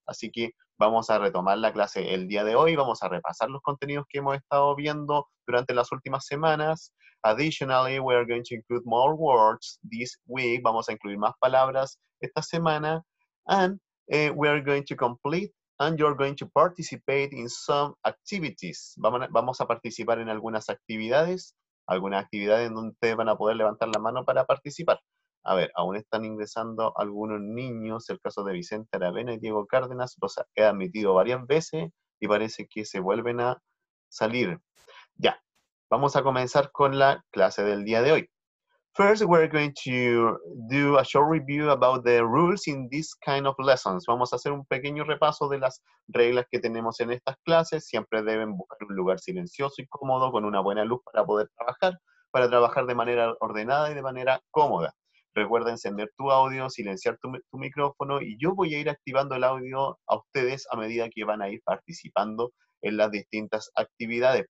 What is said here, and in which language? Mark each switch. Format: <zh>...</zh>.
<es>Así que vamos a retomar la clase el día de hoy. Vamos a repasar los contenidos que hemos estado viendo durante las últimas semanas.</es> <en>Additionally, we are going to include more words this week.</en> <es>Vamos a incluir más palabras esta semana.</es> <en>And we are going to complete, and you're going to participate in some activities.</en> <es>Vamos a participar en algunas actividades en donde ustedes van a poder levantar la mano para participar. A ver, aún están ingresando algunos niños, el caso de Vicente Aravena y Diego Cárdenas, los he admitido varias veces y parece que se vuelven a salir. Ya, vamos a comenzar con la clase del día de hoy.</es> <en>First, we're going to do a short review about the rules in this kind of lessons.</en> <es>Vamos a hacer un pequeño repaso de las reglas que tenemos en estas clases. Siempre deben buscar un lugar silencioso y cómodo con una buena luz para poder trabajar, para trabajar de manera ordenada y de manera cómoda. Recuerda encender tu audio, silenciar tu micrófono y yo voy a ir activando el audio a ustedes a medida que van a ir participando en las distintas actividades.</es>